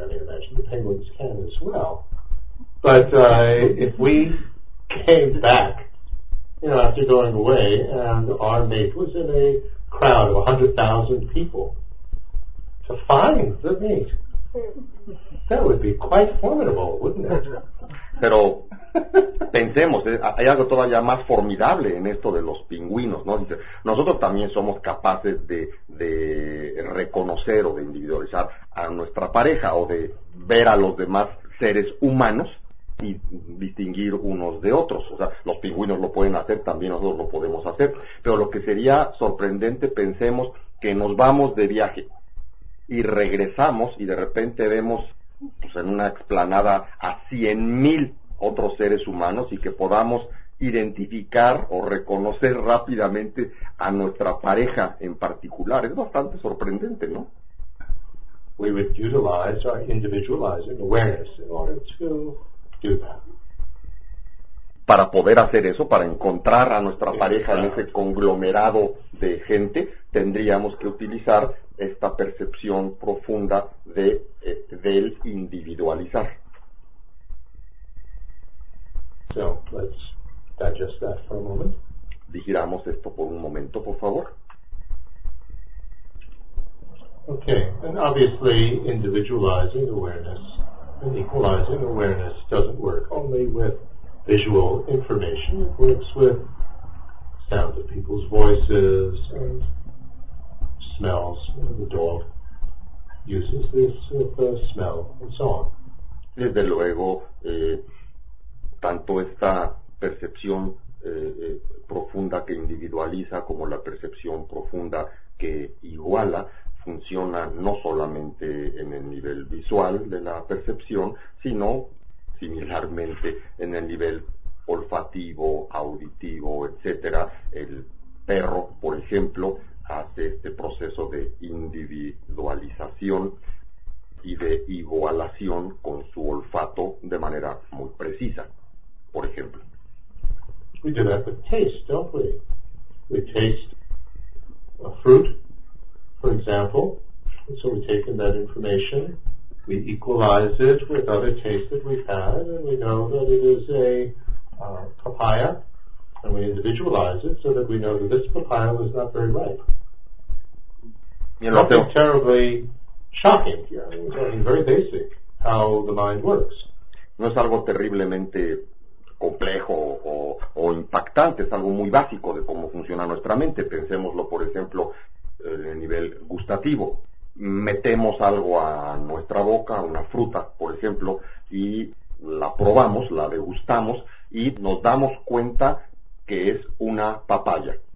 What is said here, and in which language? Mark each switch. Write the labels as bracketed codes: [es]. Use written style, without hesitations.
[en] I mean, imagine the penguins can as well. But if we came back, you know, after going away, and our mate was in a crowd of 100,000 people to find the mate, that would be quite formidable, wouldn't it? [es] Pero pensemos, hay algo todavía más formidable en esto de los pingüinos, ¿no? Dice, nosotros también somos capaces de reconocer o de individualizar a nuestra pareja, o de ver a los demás seres humanos y distinguir unos de otros. O sea, los pingüinos lo pueden hacer, también nosotros lo podemos hacer. Pero lo que sería sorprendente, pensemos que nos vamos de viaje y regresamos, y de repente vemos, pues, en una explanada a 100,000 otros seres humanos, y que podamos identificar o reconocer rápidamente a nuestra pareja en particular. Es bastante sorprendente, ¿no? [en] We would utilize our individualizing awareness in order to do that. [es] Para poder hacer eso, para encontrar a nuestra pareja en ese conglomerado de gente, tendríamos que utilizar esta percepción profunda del individualizar. [en] So, let's digest that for a moment. [es] Digiramos esto por un momento, por favor. [en] Okay, and obviously individualizing awareness and equalizing awareness doesn't work only with visual information. It works with sound of people's voices and smells. The dog uses this with the smell and so on. [es] Desde luego, tanto esta percepción profunda que individualiza como la percepción profunda que iguala funciona no solamente en el nivel visual de la percepción, sino similarmente en el nivel olfativo, auditivo, etcétera. El perro, por ejemplo, hace este proceso de individualización y de igualación con su olfato de manera muy precisa. Por ejemplo, [en] we do that with taste, don't we? We taste a fruit, for example, and so we take in that information, we equalize it with other tastes that we've had, and we know that it is a papaya, and we individualize it so that we know that this papaya was not very ripe. Nothing terribly shocking here. It's something very basic, how the mind works. [es] No es algo terriblemente complejo o impactante, es algo muy básico de cómo funciona nuestra mente. Pensemoslo, por ejemplo, en nivel gustativo. Metemos algo a nuestra boca, una fruta, por ejemplo, y la probamos, la degustamos, y nos damos cuenta que es una papaya.